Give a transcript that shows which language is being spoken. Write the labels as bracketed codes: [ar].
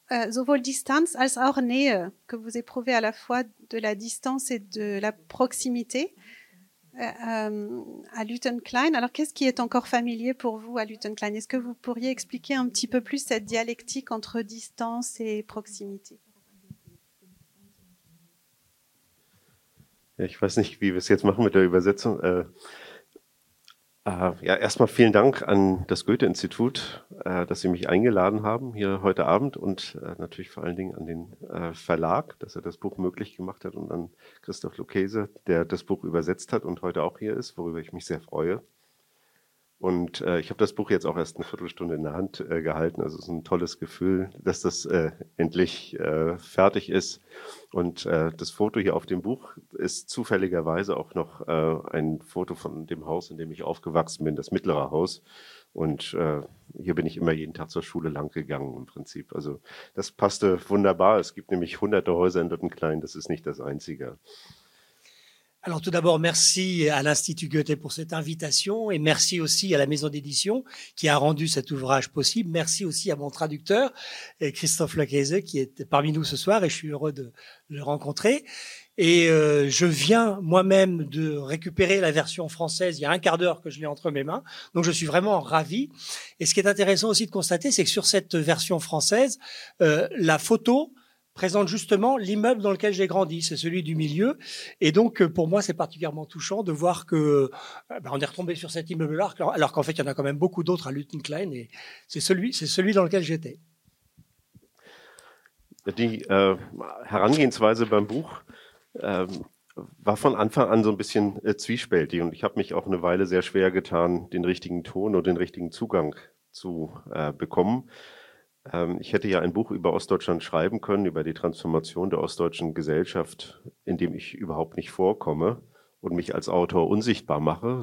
[de] sowohl Distanz als auch Nähe, [fr] que vous éprouvez à la fois de la distance et de la proximité à Luton Klein. Alors, qu'est-ce qui est encore familier pour vous à Luton Klein? Est-ce que vous pourriez expliquer un petit peu plus cette dialectique entre distance et proximité? [de] Ja, ich weiß nicht, wie wir es jetzt machen mit der Übersetzung. Ja, erstmal vielen Dank an das Goethe-Institut, dass Sie mich eingeladen haben hier heute Abend und natürlich vor allen Dingen an den Verlag, dass er das Buch möglich gemacht hat und an Christoph Lukese, der das Buch übersetzt hat und heute auch hier ist, worüber ich mich sehr freue. Und ich habe das Buch jetzt auch erst eine Viertelstunde in der Hand gehalten. Also es ist ein tolles Gefühl, dass das endlich fertig ist. Und das Foto hier auf dem Buch ist zufälligerweise auch noch ein Foto von dem Haus, in dem ich aufgewachsen bin, das mittlere Haus. Und hier bin ich immer jeden Tag zur Schule lang gegangen im Prinzip. Also das passte wunderbar. Es gibt nämlich hunderte Häuser in Luton Klein. Das ist nicht das einzige. [fr] Alors tout d'abord, merci à l'Institut Goethe pour cette invitation et merci aussi à la maison d'édition qui a rendu cet ouvrage possible. Merci aussi à mon traducteur, Christophe Lequeze, qui est parmi nous ce soir et je suis heureux de le rencontrer. Et je viens moi-même de récupérer la version française, il y a un quart d'heure que je l'ai entre mes mains, donc je suis vraiment ravi. Et ce qui est intéressant aussi de constater, c'est que sur cette version française, la photo présente justement l'immeuble dans lequel j'ai grandi, c'est celui du milieu. Et donc, pour moi, c'est particulièrement touchant de voir que on est retombé sur cet immeuble-là, alors qu'en fait, il y en a quand même beaucoup d'autres à Luton Klein, et c'est celui dans lequel j'étais. [de] Die Herangehensweise beim Buch war von Anfang an so ein bisschen zwiespältig, und ich habe mich auch eine Weile sehr schwer getan, den richtigen Ton und den richtigen Zugang zu bekommen. Ich hätte ja ein Buch über Ostdeutschland schreiben können, über die Transformation der ostdeutschen Gesellschaft, in dem ich überhaupt nicht vorkomme und mich als Autor unsichtbar mache.